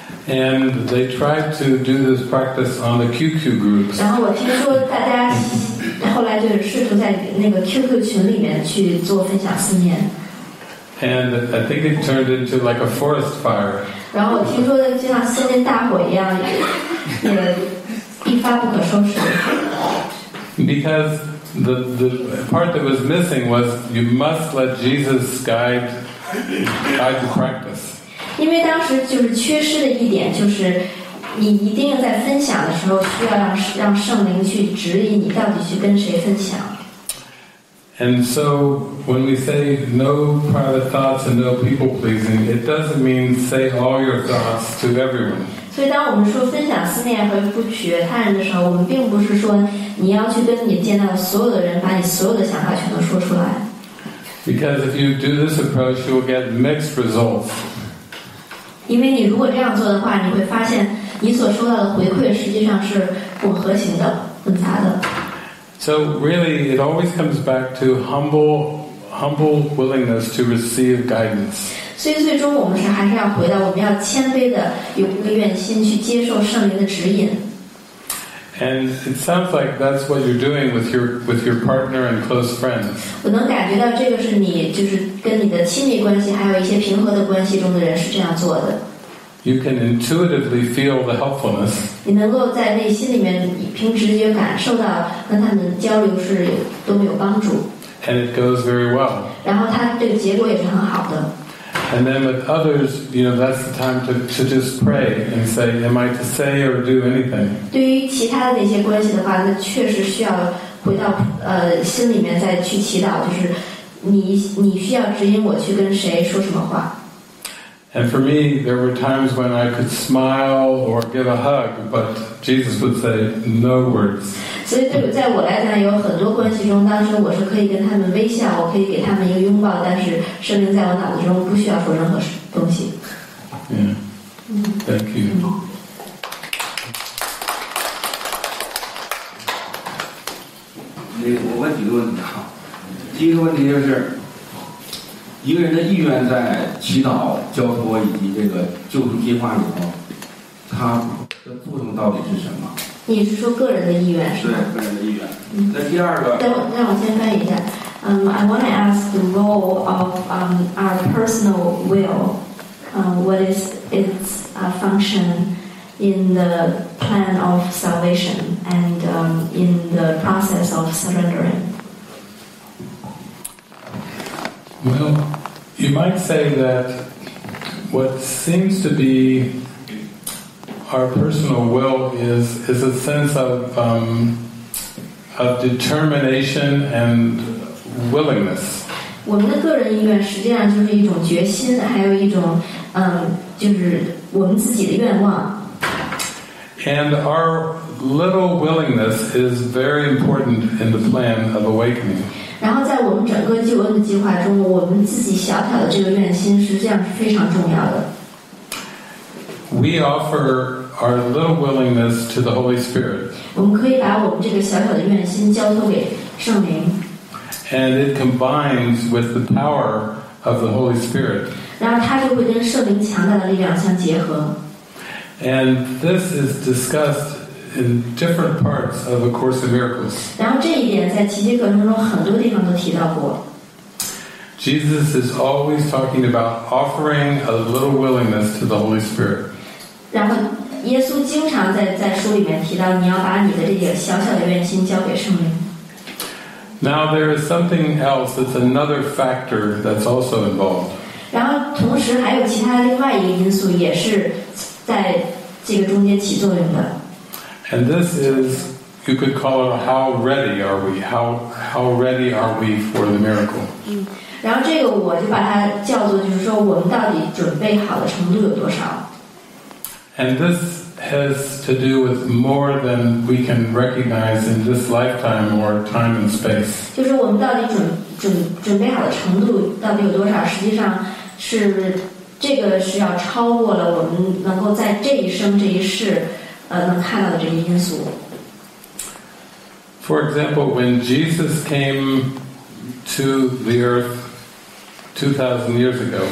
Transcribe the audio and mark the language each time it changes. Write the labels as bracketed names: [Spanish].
[English] And they tried to do this practice on the QQ groups. [Chinese] 然后我听说大家后来就试图在那个 QQ 群里面去做分享思念。 [English] And I think it turned into like a forest fire. [Chinese] 然后我听说的就像森林大火一样，也一发不可收拾。 [English] Because the part that was missing was you must let Jesus guide the practice. [Chinese] 因为当时就是缺失的一点就是，你一定在分享的时候需要让圣灵去指引你到底去跟谁分享。 [English] And so when we say no private thoughts and no people pleasing, it doesn't mean say all your thoughts to everyone. [Chinese] 所以当我们说分享思念和不取悦他人的时候，我们并不是说你要去跟你见到所有的人把你所有的想法全都说出来。 [English] Because if you do this approach, you will get mixed results. [Chinese] 因为你如果这样做的话，你会发现你所收到的回馈实际上是不和谐的、混杂的。 [English] So really, it always comes back to humble willingness to receive guidance. [Chinese] 所以最终我们是还是要回到我们要谦卑的有一个愿心去接受圣灵的指引。 [English] And it sounds like that's what you're doing with your partner and close friends. [Chinese] 我能感觉到这个是你就是跟你的亲密关系还有一些平和的关系中的人是这样做的。 [English] You can intuitively feel the helpfulness. [Chinese] 你能够在内心里面凭直觉感受到跟他们交流是多么有帮助。 [English] And it goes very well. [Chinese] 然后他这个结果也是很好的。 [English] And then with others, you know, that's the time to just pray and say, am I to say or do anything? [Chinese] 对于其他的那些关系的话，那确实需要回到心里面再去祈祷，就是你需要指引我去跟谁说什么话。 [English] And for me, there were times when I could smile or give a hug, but Jesus would say no words. [Chinese] 所以对在我来讲，有很多关系中，当时我是可以跟他们微笑，我可以给他们一个拥抱，但是圣灵在我脑子中不需要说任何东西。 [English] Yeah. Thank you. I have [Chinese] 几个问题哈。第一个问题就是。一个人的意愿在祈祷、交托以及这个救赎计划里头，它的作用到底是什么？你是说个人的意愿是吗？对，个人的意愿。那第二个，让我先翻译一下。 [English] I want to ask the role of our personal will. What is its function in the plan of salvation and in the process of surrendering? Well, you might say that what seems to be our personal will is a sense of determination and willingness. [Chinese] 我们的个人意愿实际上就是一种决心，还有一种就是我们自己的愿望。 [English] And our little willingness is very important in the plan of awakening. [Chinese] 然后在我们整个救恩的计划中，我们自己小小的这个愿心实际上是非常重要的。 [English] We offer our little willingness to the Holy Spirit. [Chinese] 我们可以把我们这个小小的愿心交托给圣灵。 [English] And it combines with the power of the Holy Spirit. [Chinese] 然后它就会跟圣灵强大的力量相结合。 [English] And this is discussed. In different parts of A Course in Miracles. [Chinese] 然后这一点在奇迹课程中很多地方都提到过。 [English] Jesus is always talking about offering a little willingness to the Holy Spirit. [Chinese] 然后耶稣经常在书里面提到，你要把你的这个小小的愿心交给圣灵。 [English] Now there is something else. That's another factor that's also involved. [Chinese] 然后同时还有其他另外一个因素也是在这个中间起作用的。 [English] And this is, you could call it, how ready are we? How ready are we for the miracle? [Chinese] 然后这个我就把它叫做，就是说我们到底准备好的程度有多少。 [English] And this has to do with more than we can recognize in this lifetime or time and space. [Chinese] 就是我们到底准备好的程度到底有多少，实际上是这个是要超过了我们能够在这一生这一世能看到的这些因素。 [English] For example, when Jesus came to the earth 2,000 years ago,